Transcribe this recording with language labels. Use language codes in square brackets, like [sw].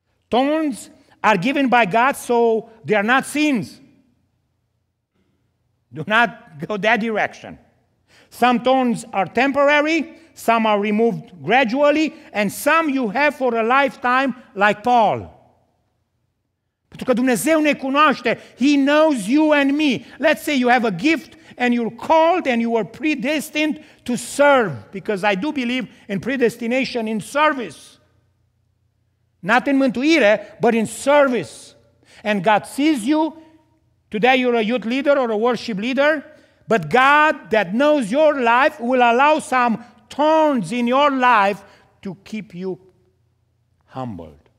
[en] Thorns are given by God, so they are not sins. Do not go that direction. Some thorns are temporary, some are removed gradually, and some you have for a lifetime, like Paul. [ro] Pentru că Dumnezeu ne cunoaște, [en] He knows you and me. Let's say you have a gift and you're called and you were predestined to serve, because I do believe in predestination in service. Not in mântuire, but in service. And God sees you. Today you're a youth leader or a worship leader. But God that knows your life will allow some thorns in your life to keep you humbled.